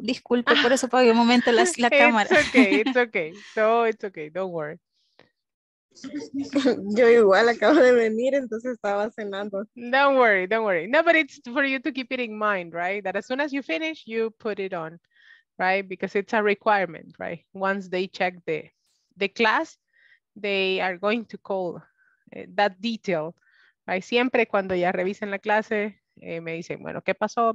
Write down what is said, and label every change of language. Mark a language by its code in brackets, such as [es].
[es] Disculpe, por eso apagué un momento la cámara. [en] It's okay, it's okay. No, it's okay, don't worry. [es] Yo igual acabo de venir, entonces estaba cenando. [en] Don't worry, don't worry. No, but it's for you to keep it in mind, right? That as soon as you finish, you put it on, right? Because it's a requirement, right? Once they check the class, they are going to call that detail, right? [es] Siempre cuando ya revisen la clase, me dicen, bueno, ¿qué pasó?